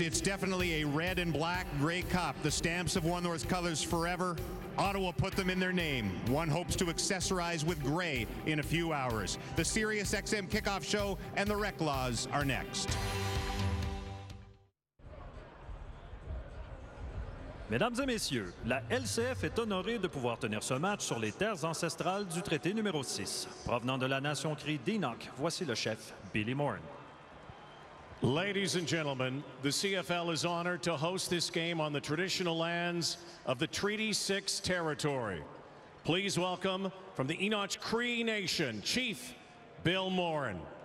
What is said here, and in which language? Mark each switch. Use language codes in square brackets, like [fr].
[en] It's definitely a red and black Grey Cup. The Stamps have worn those colors forever. Ottawa put them in their name. One hopes to accessorize with gray in a few hours. The SiriusXM kickoff show and the Rec Laws are next. [fr] Mesdames et messieurs, la LCF est honorée de pouvoir tenir ce match sur les terres ancestrales du traité numéro 6. Provenant de la nation Cree d'Enoch, voici le chef, Billy Morin. [en] Ladies and gentlemen, the CFL is honored to host this game on the traditional lands of the Treaty 6 territory. Please welcome from the Enoch Cree Nation, Chief Bill Morin.